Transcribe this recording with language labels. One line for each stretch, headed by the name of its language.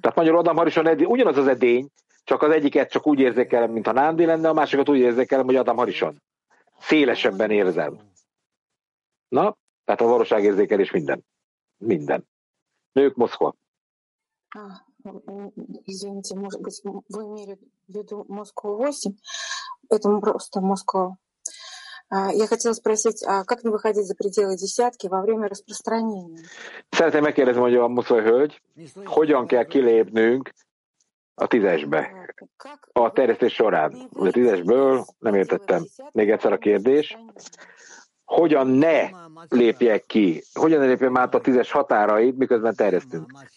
Hungarian: Tehát magyarul Adam Harishon edény, ugyanaz az edény, csak az egyiket csak úgy érzékelem, mint a Nándi lenne, a másikat úgy érzékelem, hogy Adam Harishon. Szélesebben érzem. Na, tehát a valóságérzékelés minden. Minden. Nők, Moszkva. Ah,
Russian: извините, может быть, вы имели в виду Москву 8, поэтому просто Москва. Я хотела спросить, а как не выходить за пределы десятки во время распространения?
Hungarian: Szeretném megkérdezni, mondja a Moszkva hölgy, hogyan kell kilépnünk a tízesbe, a terjesztés során. A tízesből nem értettem. Még egyszer a kérdés. Hogyan ne lépjek ki? Hogyan ne lépjem át a tízes határait, miközben terjesztünk?